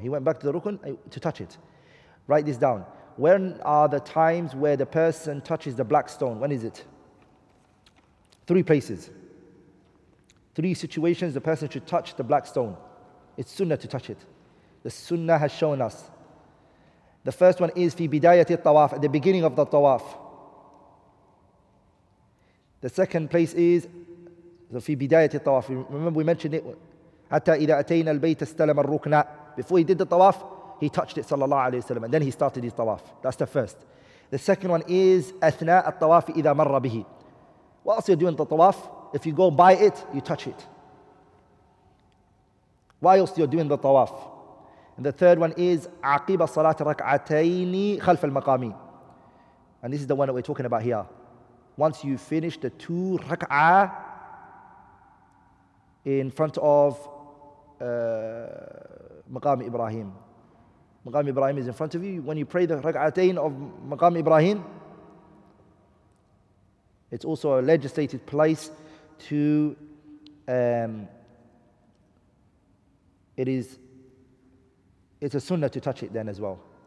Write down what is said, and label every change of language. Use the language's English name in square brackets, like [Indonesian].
[English] He went back to the rukun to touch it. Write this down. When are the times where the person touches the black stone? When is it? Three places. Three situations the person should touch the black stone. It's sunnah to touch it. The sunnah has shown us. The first one is [Arabic] fi bidayati tawaf, [English] at the beginning of the tawaf. The second place is [Arabic] So في بداية الطواف, [English] remember we mentioned it, [Arabic] حتى إذا أتينا البيت استلم الركن. [English] Before he did the tawaf, he touched it sallallahu alayhi wa sallam, and then he started his tawaf. That's the first. The second one is [Arabic] أثناء الطواف إذا مر به. [English] Whilst you're doing the tawaf, if you go by it, you touch it. Whilst you're doing the tawaf. And the third one is [Arabic] عقب صلاة ركعتين خلف المقام. [English] And this is the one that we're talking about here. Once you finish the two rak'ah in front of Maqam Ibrahim. Maqam Ibrahim is in front of you. When you pray the rak'atain of Maqam Ibrahim, it's also a legislated place to, it's a sunnah to touch it then as well.